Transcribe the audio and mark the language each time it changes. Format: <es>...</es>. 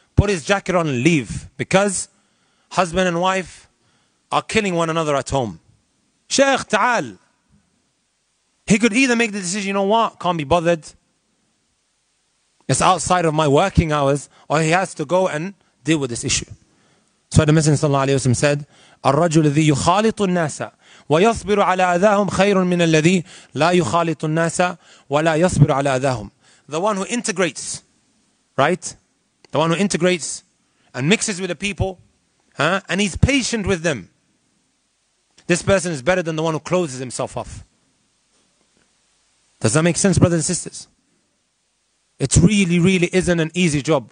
<en>Put his jacket on and leave. Because husband and wife are killing one another at home. Sheikh, ta'al. He could either make the decision, you know what? Can't be bothered. It's outside of my working hours. Or he has to go and deal with this issue. So the Messenger sallallahu alayhi wa sallam said,</en> <ar>الرجل الذي يخالط الناس ويصبر على أذاهم خير من الذي لا يخالط الناس ولا يصبر على أذاهم.</ar> <en>The one who integrates, right? The one who integrates and mixes with the people, huh? And he's patient with them. This person is better than the one who closes himself off. Does that make sense, brothers and sisters? It really, really isn't an easy job.</en>